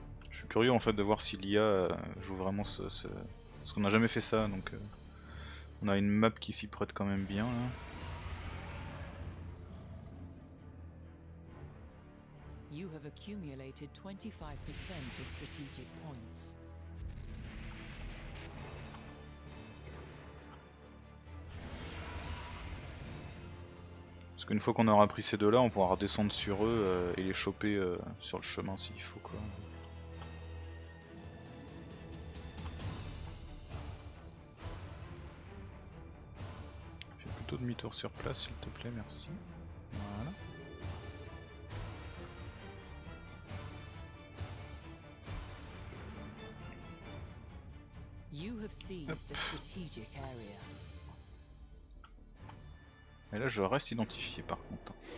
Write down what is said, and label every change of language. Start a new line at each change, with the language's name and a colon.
French: Je curieux en fait de voir si l'IA joue vraiment ce, ce... Parce qu'on n'a jamais fait ça, donc on a une map qui s'y prête quand même bien là.
English: You have accumulated 25% of strategic points.
French: Parce qu'une fois qu'on aura pris ces deux-là, on pourra redescendre sur eux et les choper sur le chemin s'il faut quoi. Fais plutôt demi-tour sur place s'il te plaît, merci. Voilà.
English: You have seized a strategic area.
French: Et là, je reste identifié par contre.